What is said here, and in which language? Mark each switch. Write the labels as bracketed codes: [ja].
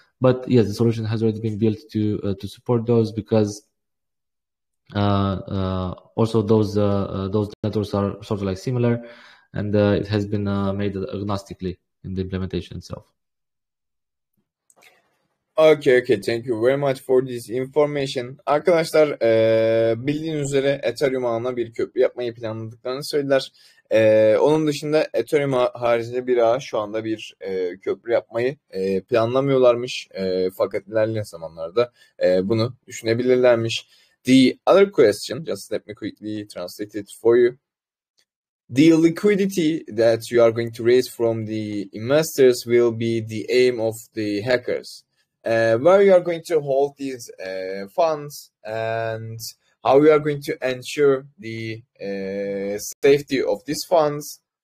[en] But yes, the solution has already been built to support those, because Also, those networks are sort of like similar, and it has been made agnostically in the implementation itself. Okay, thank you very much for this information. [tr] Arkadaşlar, bildiğiniz üzere Ethereum ağına bir köprü yapmayı planladıklarını söylediler. Onun dışında Ethereum haricinde bir ağa şu anda bir köprü yapmayı planlamıyorlarmış. Fakat ilerleyen zamanlarda bunu düşünebilirlermiş. [en] The other question, just let me quickly translate it for you. The liquidity that you are going to raise from the investors will be the aim of the hackers. Where you are going to hold these funds and how you are going to ensure the safety of these funds?